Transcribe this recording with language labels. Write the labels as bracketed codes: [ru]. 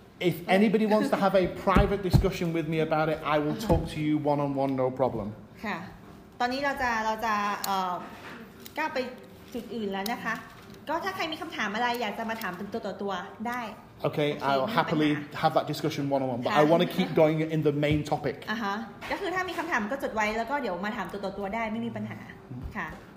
[en] If anybody wants to have a private discussion with me about it, I will talk to you one-on-one, no problem. [th] ค่ะ ตอนนี้เราจะก้าวไปจุดอื่นแล้วนะคะก็ถ้าใครมีคำถามอะไรอยากจะมาถามเป็นตัวได้ [en] Okay, okay, I'll happily have that discussion one-on-one, but I want to keep going in the main topic. [th] ก็คือถ้ามีคำถามก็จดไว้แล้วก็เดี๋ยวมาถามตัวได้ไม่มีปัญหาค่ะ